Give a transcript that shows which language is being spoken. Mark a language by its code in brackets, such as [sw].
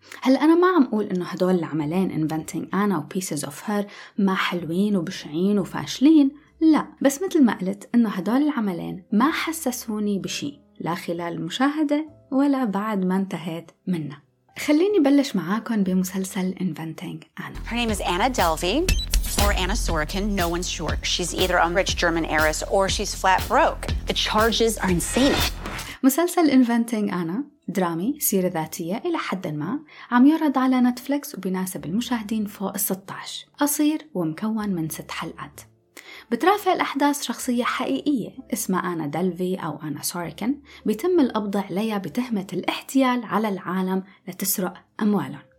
[ar] هل أنا ما عم أقول أنه هدول العملين Inventing Anna و Pieces of Her ما حلوين وبشعين وفاشلين، لا، بس مثل ما قلت أنه هدول العملين ما حسسوني بشيء لا خلال المشاهدة ولا بعد ما انتهيت منها. خليني بلش معاكم بمسلسل Inventing Anna. [en] Her name is Anna Delvey or Anna Sorokin, no one's sure. She's either a rich German heiress or she's flat broke. The charges are insane. [ar] مسلسل Inventing Anna درامي سيرة ذاتية إلى حد ما، عم يعرض على نتفليكس وبناسب المشاهدين فوق 16، قصير ومكون من 6 حلقات. بترافق الأحداث شخصية حقيقية اسمها أنا دلفي أو أنا سوركن، بيتم القبض عليها بتهمة الاحتيال على العالم لتسرق أموالهم.